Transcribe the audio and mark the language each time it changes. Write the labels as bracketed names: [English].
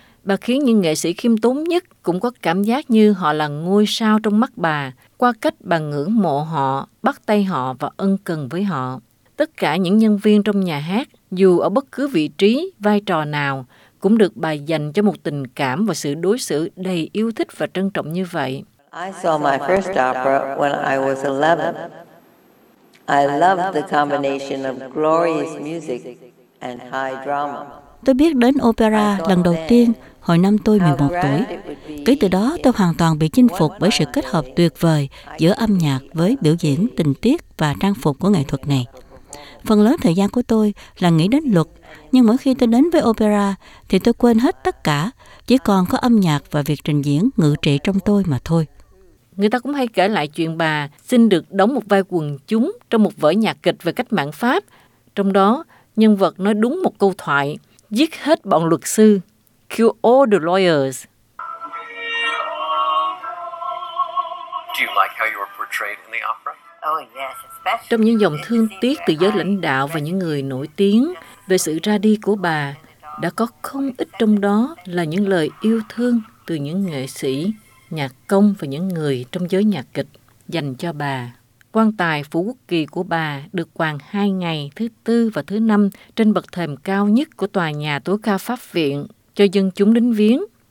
[Vietnamese] Bà khiến những nghệ sĩ khiêm tốn nhất cũng có cảm giác như họ là ngôi sao trong mắt bà, qua cách bà ngưỡng mộ họ, bắt tay họ và ân cần với họ. Tất cả những nhân viên trong nhà hát, dù ở bất cứ vị trí, vai trò nào, cũng được bà dành cho một tình cảm và sự đối xử đầy yêu thích và trân trọng như vậy. [English] I saw my first opera when I was 11. I loved the combination of glorious music and high drama. [Vietnamese] Tôi biết đến opera lần đầu tiên hồi năm tôi 11 tuổi. Kể từ đó, tôi hoàn toàn bị chinh phục bởi sự kết hợp tuyệt vời giữa âm nhạc với biểu diễn, tình tiết và trang phục của nghệ thuật này. Phần lớn thời gian của tôi là nghĩ đến luật, nhưng mỗi khi tôi đến với opera thì tôi quên hết tất cả, chỉ còn có âm nhạc và việc trình diễn ngự trị trong tôi mà thôi. Người ta cũng hay kể lại chuyện bà xin được đóng một vai quần chúng trong một vở nhạc kịch về cách mạng Pháp. Trong đó, nhân vật nói đúng một câu thoại, giết hết bọn luật sư, [English] kill all the lawyers. Do you like how you were portrayed in the opera? [Vietnamese] Trong những dòng thương tiếc từ giới lãnh đạo và những người nổi tiếng về sự ra đi của bà, đã có không ít trong đó là những lời yêu thương từ những nghệ sĩ, nhạc công và những người trong giới nhạc kịch dành cho bà. Quan tài phủ quốc kỳ của bà được quàng 2 ngày thứ 4 và thứ 5 trên bậc thềm cao nhất của tòa nhà tối cao pháp viện cho dân chúng đến viếng.